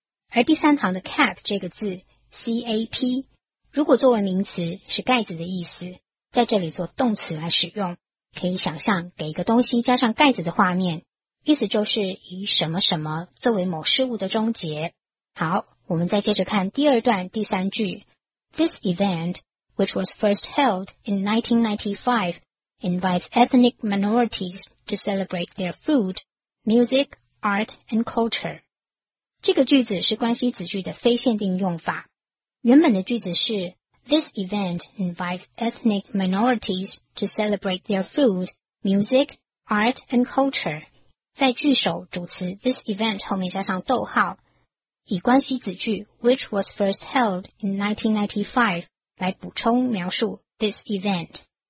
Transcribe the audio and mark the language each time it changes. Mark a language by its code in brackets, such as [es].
[zh] 而第三行的 cap 这个字 ,cap, 如果作为名词是盖子的意思，在这里做动词来使用，可以想象给一个东西加上盖子的画面，意思就是以什么什么作为某事物的终结。好，我们再接着看第二段第三句。 [en] This event, which was first held in 1995, invites ethnic minorities to celebrate their food, music, art and culture. [zh] 这个句子是关系子句的非限定用法。原本的句子是 [en] This event invites ethnic minorities to celebrate their food, music, art and culture. [zh] 在句首主词 this event 后面加上逗号，以关系子句 [en] which was first held in 1995 [zh] 来补充描述 this event.